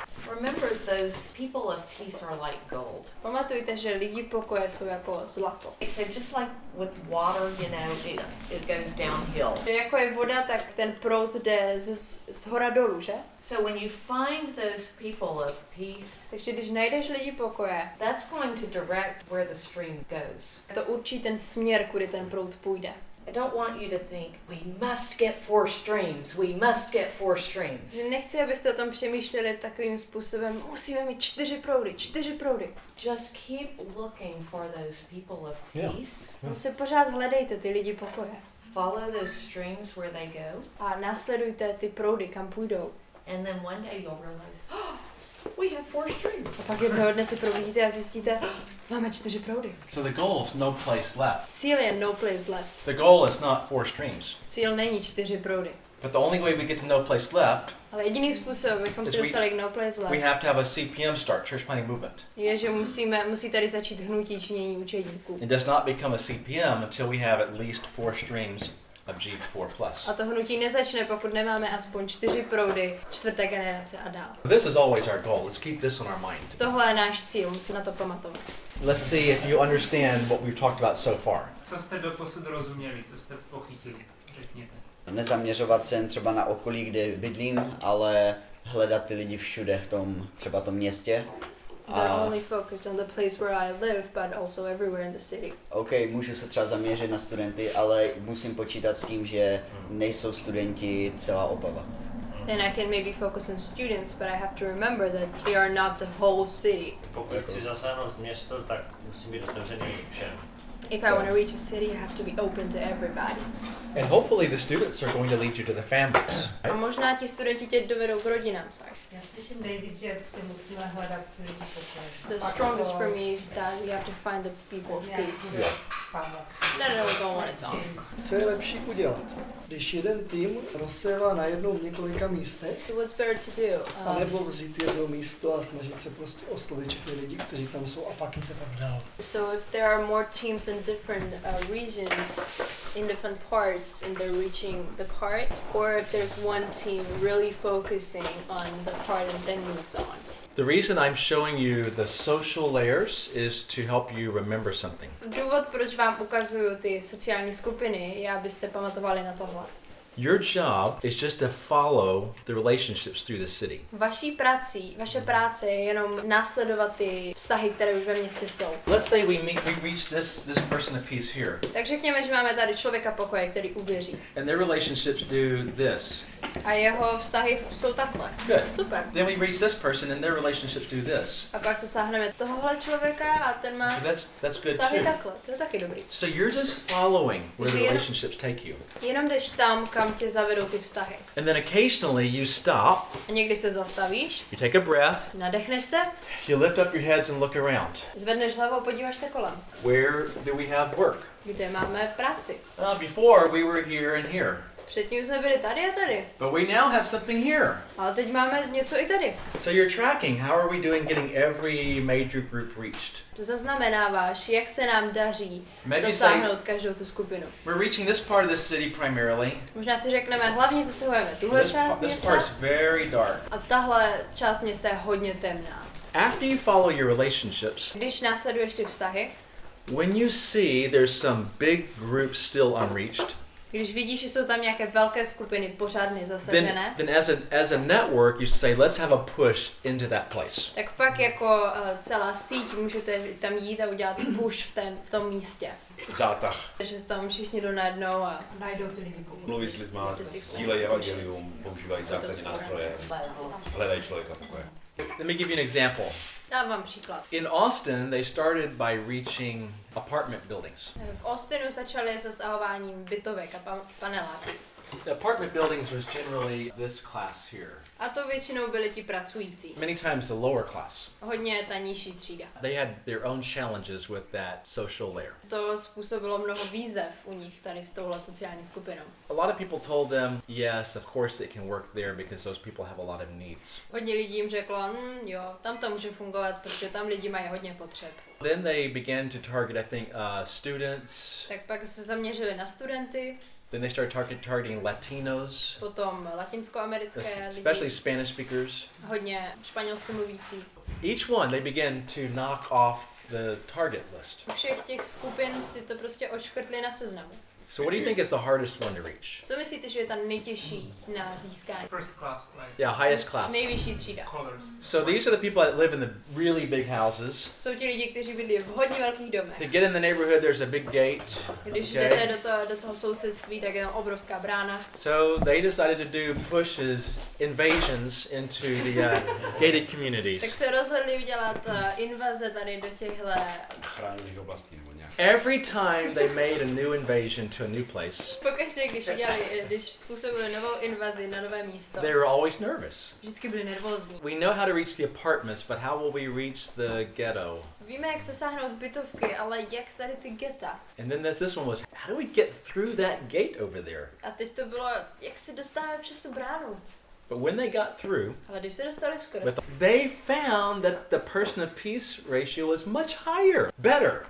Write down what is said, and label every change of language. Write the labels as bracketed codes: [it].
[en] Remember, those people of peace are like gold. [cs] Pamatujte, že lidi pokoje jsou jako zlato. [en] So just like with water, you know, it goes downhill. [cs] Jako je voda, tak ten proud jde z hora dolů, že? [en] So when you find those people of peace, [cs] takže když najdeš lidi pokoje, [en] that's going to direct where the stream goes. [cs] To určí ten směr, kudy ten proud půjde. [en] I don't want you to think we must get four streams. We must get four streams. [cs] Nechci, abyste o tom přemýšleli takovým způsobem. Musíme mít čtyři proudy, čtyři proudy. [en] Just keep looking for those people of peace. Yeah. [cs] Se pořád hledejte ty lidi pokoje. [en] Follow those streams where they go. [cs] A následujte ty proudy, kam půjdou. [en] And then one day you'll realize, we have four streams. [cs] A pak jednoho dne se probudíte a zjistíte, máme čtyři proudy. [en] So the goal is no place left. [cs] Cíl je [en] no place left. The goal is not four streams. [cs] Cíl není čtyři proudy. [en] But the only way we get to no place left, [cs] ale jediný způsob, abychom se dostali k [en] no place left, we have to have a CPM start, church planting movement. [cs] Je, že musí tady začít hnutí činění učeníků. [en] It does not become a CPM until we have at least four streams of G4 plus. [cs] A to hnutí nezačne, pokud nemáme aspoň čtyři proudy čtvrté generace a dál. [en] This is always our goal. Let's keep this on our mind. [cs] Tohle je náš cíl, musíme na to pamatovat. [en] Let's see if you understand what we've talked about so far. [cs] Co jste doposud rozuměli, co jste pochytili, řekněte. Nezaměřovat se jen třeba na okolí, kde bydlím, ale hledat ty lidi všude v tom, třeba tom městě. [en] not only focus on the place where I live, but also everywhere in the city. [cs] Okay, můžu se třeba zaměřit na studenty, ale musím počítat s tím, že nejsou studenti celá Opava. [en] And I can maybe focus on students, but I have to remember that they are not the whole city. [cs] Pokud chci zasáhnout město, tak musím být otevřený všem. [en] If I want to reach a city, I have to be open to everybody. And hopefully the students are going to lead you to the families. [cs] A možná ti studenti tě dovedou k rodinám, [en] sorry. [cs] Já slyším, David, že ty musíme hledat lidi pokoje. [en] The strongest for me is that we have to find the people of peace. Yeah. Let it all go on its own. [cs] Co je lepší udělat? Když jeden tým rozsévá najednou několika místech. [en] So what's better to do? [cs] A nebo vzít jedno místo a snažit se prostě oslovit všechny lidi, kteří tam jsou a pak jim teprve dál. [en] So if there are more teams in different regions, in different parts, and they're reaching the part, or if there's one team really focusing on the part and then moves on. The reason I'm showing you the social layers is to help you remember something. [cs] Důvod, proč vám ukazuju ty sociální skupiny, je, abyste pamatovali na tohle. [en] Your job is just to follow the relationships through the city. [cs] Vaše práce je jenom následovat ty vztahy, které už ve městě jsou. [en] Let's say we reach this person of peace here. [cs] Takže řekněme, že máme tady člověka pokoje, který uvěří. [en] And their relationships do this. [cs] A jeho vztahy jsou takhle. [en] Good. [cs] Super. [en] Then we reach this person and their relationships do this. [cs] A pak zasáhneme tohohle člověka a ten má [en] that's good [cs] vztahy [en] too. [cs] Takhle. To je taky dobrý. [en] So you're just following where the relationships take you. [cs] Jenom jdeš tam, kam tě zavedou ty vztahy. [en] And then occasionally you stop. [cs] A někdy se zastavíš. [en] You take a breath. [cs] Nadechneš se. [en] You lift up your heads and look around. [cs] Zvedneš hlavu a podíváš se kolem. [en] Where do we have work? [cs] Kde máme práci? [en] Before we were here and here. [cs] Předtím jsme byli tady a tady. [en] But we now have something here. [cs] Ale teď máme něco i tady. [en] So you're tracking. How are we doing getting every major group reached? [cs] Zaznamenáváš, jak se nám daří zasáhnout každou tu skupinu. [en] We're reaching this part of the city primarily. [cs] Možná si řekneme, hlavně zasahujeme tuhle část města. [en] This part's very dark. [cs] A tahle část města je hodně temná. [en] After you follow your relationships. [cs] Když následuješ ty vztahy. [en] When you see there's some big group still unreached. [cs] Když vidíš, že jsou tam nějaké velké skupiny pořád nezasažené, [en] then as a network you say let's have a push into that place. [cs] Tak pak jako celá síť můžete tam jít a udělat push v tom místě. Zátah. Že tam všichni jdou najednou a najdou ty lidi pomoci. Mluví s lidma, sdílejí evangelium, používají základní nástroje, hledají člověka pokoje. [en] Let me give you an example. [cs] Dám vám příklad. [en] In Austin, they started by reaching apartment buildings. [cs] V Austinu začali se zasahováním bytovek a paneláků. [en] The apartment buildings was generally this class here. [cs] A to většinou byli ti pracující. [en] Many times the lower class. [cs] Hodně ta nižší třída. [en] They had their own challenges with that social layer. [cs] To způsobilo mnoho výzev u nich tady s touhle sociální skupinou. [en] A lot of people told them, yes, of course it can work there because those people have a lot of needs. [cs] Hodně lidí jim řeklo, jo, tam to může fungovat, protože tam lidi mají hodně potřeb. [en] Then they began to target, I think, students. [cs] Tak pak se zaměřili na studenty. [en] Then they started targeting Latinos. [cs] Potom latinskoamerické lidi. [en] Especially Spanish speakers. [cs] Hodně španělsky mluvící. [en] Each one they began to knock off the target list. [cs] U všech těch skupin si to prostě odškrtli na seznamu. [en] So what do you think is the hardest one to reach? [cs] Co myslíte, že je ta nejtěžší na získání? [en] First class, like. Yeah, highest class. [cs] Nejvyšší třída. [en] Colors. So these are the people that live in the really big houses. [cs] Jsou ti lidi, kteří bydlí v hodně velkých domech. [en] To get in the neighborhood, there's a big gate. [cs] Když jdete do toho sousedství, tak je tam obrovská brána. [en] So they decided to do pushes, invasions into the gated communities. [cs] Tak se rozhodli udělat invaze tady do těchhle chráněných oblastí. [en] Every time they made a new invasion to a new place. [cs] Pokaždé, když způsobili novou invazi na nové místo. [en] They were always nervous. [cs] Vždycky byli nervózní. [en] We know how to reach the apartments, but how will we reach the ghetto? [cs] Víme, jak zasáhnout bytovky, ale jak tady ty ghetta? [en] And then this one was, how do we get through that gate over there? [cs] A teď to bylo, jak se dostáváme přes tu bránu? [en] But when they got through, [cs] ale když se dostali skrz, [en] they found that the person of peace ratio was much higher, better.